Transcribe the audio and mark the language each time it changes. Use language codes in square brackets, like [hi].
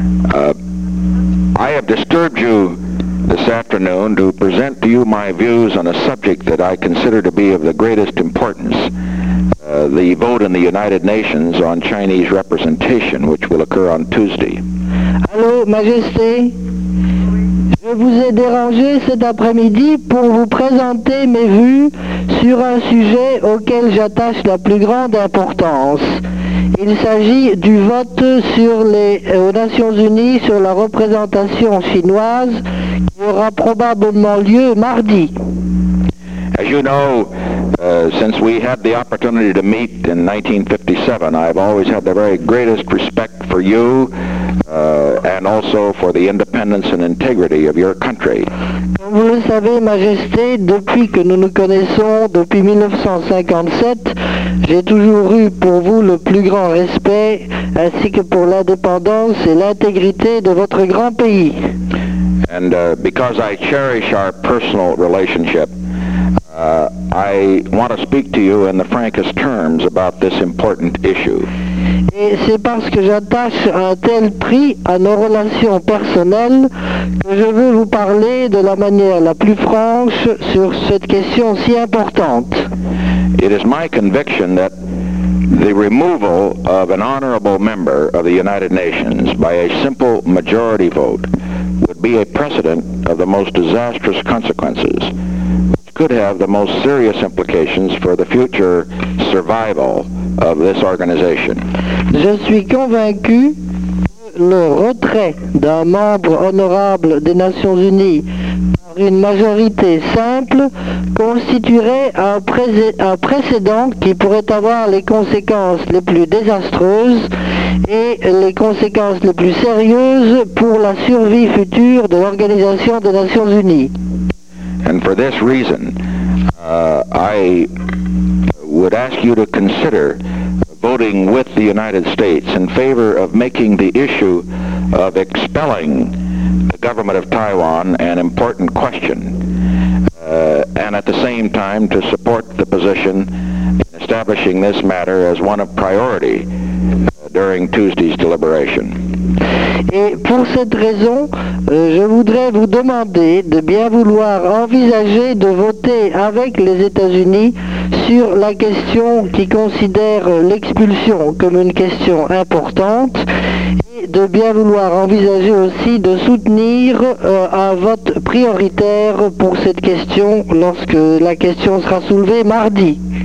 [en] I have disturbed you this afternoon to present to you my views on a subject that I consider to be of the greatest importance, the vote in the United Nations on Chinese representation, which will occur on Tuesday. [fr] Allô, Majesté. Je vous ai dérangé cet après-midi pour vous présenter mes vues sur un sujet auquel j'attache la plus grande importance. Il s'agit du vote sur les, aux Nations Unies sur la représentation chinoise qui aura probablement lieu mardi. [en] As you know, since we had the opportunity to meet in 1957, I've always had the very greatest respect for you and also for the independence and integrity of your country. [fr] Comme vous le savez, Majesté, depuis que nous nous connaissons, depuis 1957, j'ai toujours eu pour vous le plus grand respect, ainsi que pour l'indépendance et l'intégrité de votre grand pays. [en] And because I cherish our personal relationship, I want to speak to you in the frankest terms about this important issue. [fr] Et c'est parce que j'attache un tel prix à nos relations personnelles que je veux vous parler de la manière la plus franche sur cette question si importante. [en] It is my conviction that the removal of an honorable member of the United Nations by a simple majority vote would be a precedent of the most disastrous consequences. Could have the most serious implications for the future survival of this organization. [fr] Je suis convaincu que le retrait d'un membre honorable des Nations Unies par une majorité simple constituerait un précédent qui pourrait avoir les conséquences les plus désastreuses et les conséquences les plus sérieuses pour la survie future de l'Organisation des Nations Unies. [en] And for this reason, I would ask you to consider voting with the United States in favor of making the issue of expelling the government of Taiwan an important question, and at the same time to support the position in establishing this matter as one of priority during Tuesday's deliberation. [fr] Et pour cette raison, je voudrais vous demander de bien vouloir envisager de voter avec les États-Unis sur la question qui considère l'expulsion comme une question importante et de bien vouloir envisager aussi de soutenir un vote prioritaire pour cette question lorsque la question sera soulevée mardi.